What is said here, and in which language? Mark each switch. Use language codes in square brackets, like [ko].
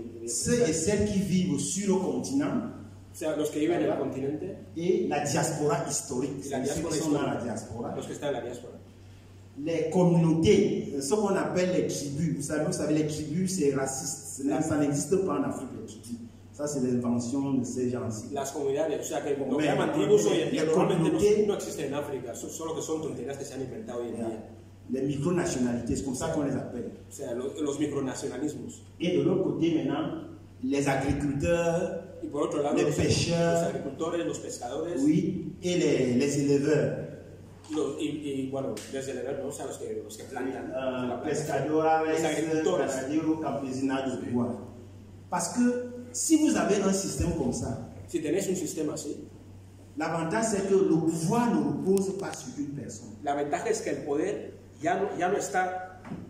[fr] Ceux et celles qui vivent sur le continent. [es] O sea, los que viven en el continente. [fr] Et la diaspora historique. La diaspora historique. Dans la diaspora. [es] Los que están en la diaspora. [fr] Les communautés, ce qu'on appelle les tribus. Vous savez, les tribus, c'est raciste. Ça n'existe pas en Afrique, les tribus. Ça, c'est l'invention de ces gens-ci. [es] Las comunidades, o sea, que los llaman antiguos hoy en día, normalmente no existen en África, solo que son tonterías que se han inventado hoy en día. [fr] Les micronationalités, c'est comme ça qu'on les appelle. [es] O sea, los micronacionalismos. [fr] Et de l'autre côté, maintenant, les agriculteurs, [es] y por otro lado, [fr] les pêcheurs, [es] los agricultores, los pescadores, [fr] oui, et les éleveurs. [es] Y bueno, desde el éleveur, ¿no? O sea, los que plantan. Pescadores, agricultores, campesinados, sí. Bueno. [fr] Parce que si vous avez un système comme ça, [es] si tenéis un sistema así, [fr] l'avantage c'est que le pouvoir ne repose pas sur une personne. [es] La ventaja es que el poder ya no está.